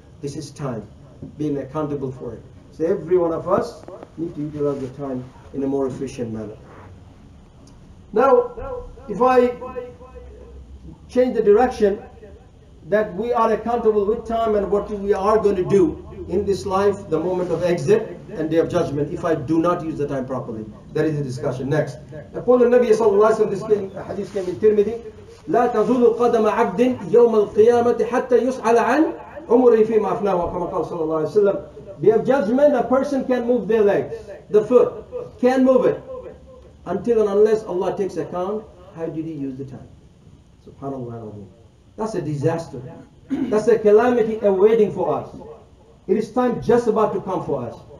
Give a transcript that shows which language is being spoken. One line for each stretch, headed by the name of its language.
English: This is time, being accountable for it. So every one of us need to utilize the time in a more efficient manner. Now, if I change the direction, that we are accountable with time and what we are going to do in this life, the moment of exit and day of judgment, if I do not use the time properly. That is the discussion. Next.
Arabic: أقول النبي صلى الله عليه وسلم,
English: this hadith came in Tirmidhi,
Arabic: لا تزول قدم عبد يوم القيامة حتى يسأل عن عمره فيما أفناه كما قال صلى الله عليه وسلم.
English: Day of judgment, a person can move their legs, the foot, can move it, until and unless Allah takes account, how did he use the time? SubhanAllah. That's a disaster. That's a calamity awaiting for us. It is time just about to come for us.